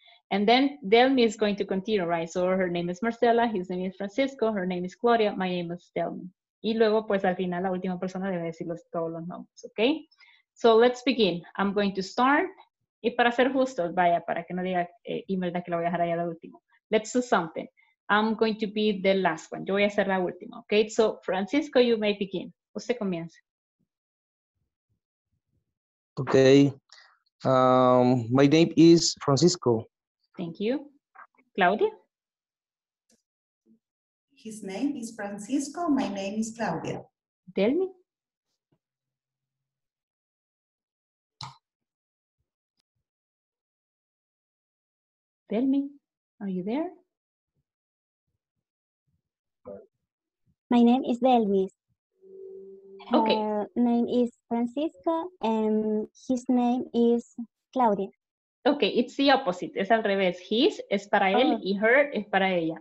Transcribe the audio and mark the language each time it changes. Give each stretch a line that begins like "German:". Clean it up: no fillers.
English: And then Delmi is going to continue, right? So her name is Marcela, his name is Francisco, her name is Claudia, my name is Delmi.
Spanish: Y luego, pues al final, la última persona debe decir todos los nombres, okay?
English: So let's begin. I'm going to start.
Spanish: Y para ser justo, vaya, para que no diga Imelda que la voy a dejar allá la última.
English: Let's do something. I'm going to be the last one.
Spanish: Yo voy a ser la última,
English: okay? So Francisco, you may begin.
Spanish: Usted comienza.
English: Okay. My name is Francisco. Thank you. Claudia? His name is Francisco. My name is Claudia. Tell me. Tell me. Are you there? My name is Delmis. Okay. Name is Francisco and his name is Claudia. Okay, it's the opposite.
Spanish: Es al revés. His es para él y her es para ella.